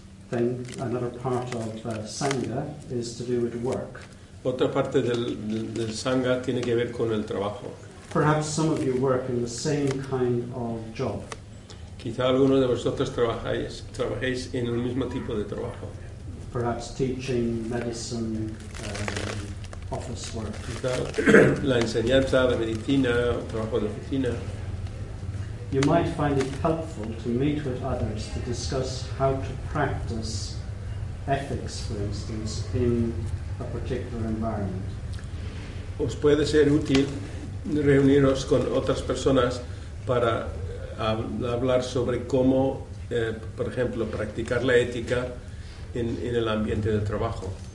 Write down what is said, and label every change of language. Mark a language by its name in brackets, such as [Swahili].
[English] Another part of Sangha is to do with work. [Spanish] Otra parte del Sangha tiene que ver con el trabajo. [English] Perhaps some of you work in the same kind of job. [Spanish] Quizá algunos de vosotros trabajéis en el mismo tipo de trabajo. [English] Perhaps teaching, medicine, office work. [Spanish] Quizá la enseñanza, la medicina, trabajo de oficina. [English] You might find it helpful to meet with others to discuss how to practice ethics, for instance, in a particular environment. [Spanish] Os puede ser útil reuniros con otras personas para hablar sobre cómo, por ejemplo, practicar la ética en el ambiente de trabajo.